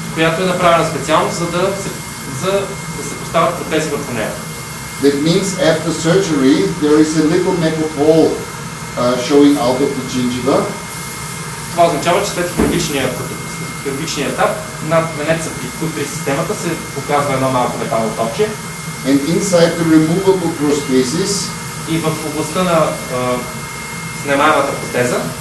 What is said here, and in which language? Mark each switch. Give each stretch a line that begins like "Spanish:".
Bulgarian: Която е направена специално, за да се поставят протези върху нея.
English: That means after surgery there is a little metal pole showing out of the gingiva.
Bulgarian: Това означава, че след хирургичния етап над венеца при Q3 системата се показва едно малко метално топче.
English: And inside the removable prosthesis,
Bulgarian: и в областта на снимаемата протеза,